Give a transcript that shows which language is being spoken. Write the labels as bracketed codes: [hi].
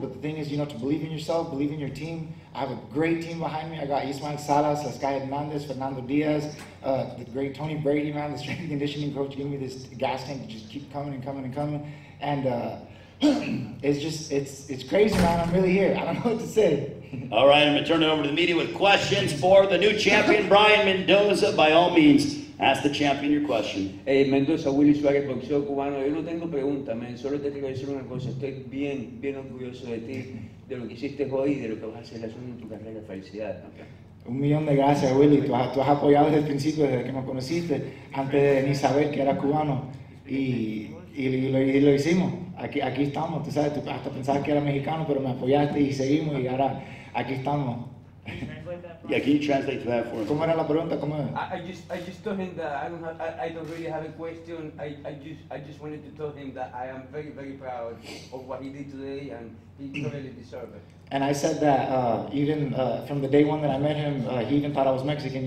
[en] But the thing is, you know, to believe in yourself, believe in your team. I have a great team behind me. I got Ismael Salas, Lascay Hernandez, Fernando Diaz, the great Tony Brady, man, the strength and conditioning coach, giving me this gas tank to just keep coming and coming and coming. And it's crazy, man. I'm really here. I don't know what to say. All right, I'm gonna turn it over to the media with questions for the new champion, Brian Mendoza. By all means, ask the champion your question. [es] Hey, Mendoza, Willy Suárez, boxeo cubano. Yo no tengo pregunta, man. Solo te quiero decir una cosa. Estoy bien, bien orgulloso de ti, de lo que hiciste hoy y de lo que vas a hacer en tu carrera. Felicidad. Un millón de gracias, Willy. Tú has apoyado desde el principio, desde que me conociste, antes de ni saber que era cubano. Y lo hicimos. Aquí estamos. Tú sabes, tú hasta pensabas que era mexicano, pero me apoyaste y seguimos. Y ahora aquí estamos. [en] Yeah, can you translate to that for me? [es] ¿Cómo era la pregunta? ¿Cómo es? [en] I just told him that I don't really have a question. I just wanted to tell him that I am very, very proud of what he did today, and he totally deserved it. And I said that even from the day one that I met him, he even thought I was Mexican.